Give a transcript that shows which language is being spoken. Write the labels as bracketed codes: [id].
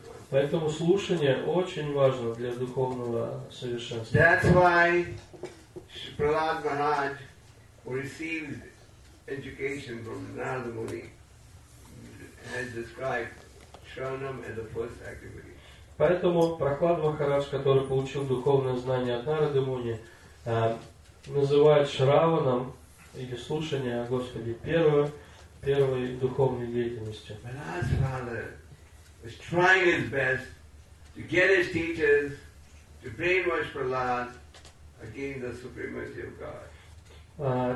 [ru] Поэтому слушание очень важно для духовного совершенствования. [en] That's why Prahlad Maharaj received education from Narada Muni and described Sharanam as the first activity. [ru] Поэтому Прохлад Махарадж, который получил духовное знание от Нарады Муни, называет Шраванам или слушание о Господе первой духовной деятельностью. [en] Prahlad's father was trying his best to get his teachers to brainwash Prahlad against the supremacy of God.